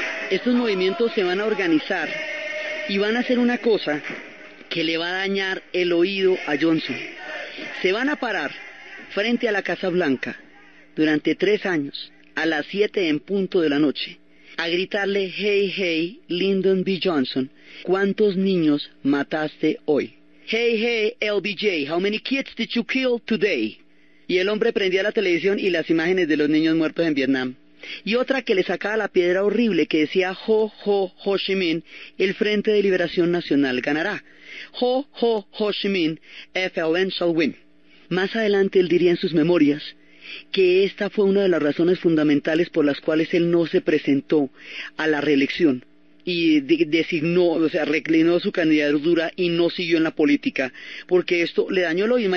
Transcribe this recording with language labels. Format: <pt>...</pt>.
<es>Estos movimientos se van a organizar y van a hacer una cosa que le va a dañar el oído a Johnson. Se van a parar frente a la Casa Blanca durante 3 años, a las 7:00 de la noche, a gritarle: "Hey, hey, Lyndon B. Johnson, ¿cuántos niños mataste hoy?</es> <en>Hey, hey, LBJ, how many kids did you kill today?"</en> <es>Y el hombre prendía la televisión y las imágenes de los niños muertos en Vietnam. Y otra que le sacaba la piedra horrible, que decía: "Ho, ho, Ho Chi Minh, el Frente de Liberación Nacional ganará.</es> <en>Ho, ho, Ho Chi Minh, FLN shall win."</en> <es>Más adelante él diría en sus memorias que esta fue una de las razones fundamentales por las cuales él no se presentó a la reelección y designó, o sea, reclinó su candidatura y no siguió en la política, porque esto le dañó el oído.</es>